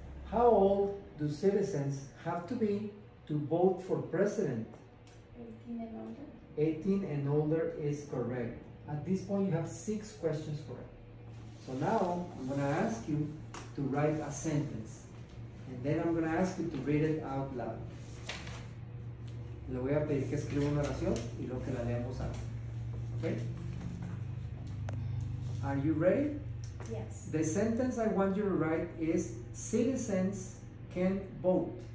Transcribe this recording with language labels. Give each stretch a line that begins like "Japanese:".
English: How old do citizens have to be to vote for president? 18 and older. 18 and older is correct. At this point, you have 6 questions correct. So now I'm going to ask you to write a sentence. And then I'm going to ask you to read it out loud.
Spanish: Le voy a pedir que escriba una oración y luego que la leamos out.
English: Okay? Are you ready? Yes. The sentence I want you to write is, citizens can vote.